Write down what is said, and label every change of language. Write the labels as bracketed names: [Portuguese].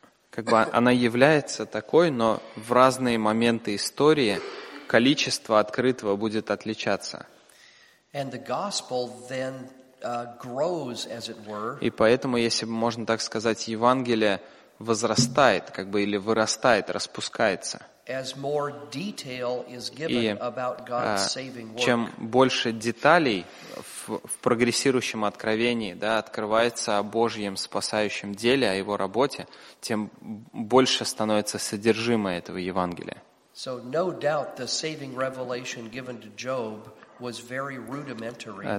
[Russian] Как бы она является такой, но в разные моменты истории количество открытого будет отличаться. [English] And the gospel then, grows, as it were. [Russian] И поэтому, если бы можно так сказать, Евангелие возрастает, как бы, или вырастает, распускается. [English] As more detail is given about God's saving work. [Russian] Чем больше деталей в прогрессирующем откровении, да, открывается о Божьем спасающем деле, о Его работе, тем больше становится содержимое этого Евангелия. [English] So, no doubt, the saving revelation given to Job was very rudimentary.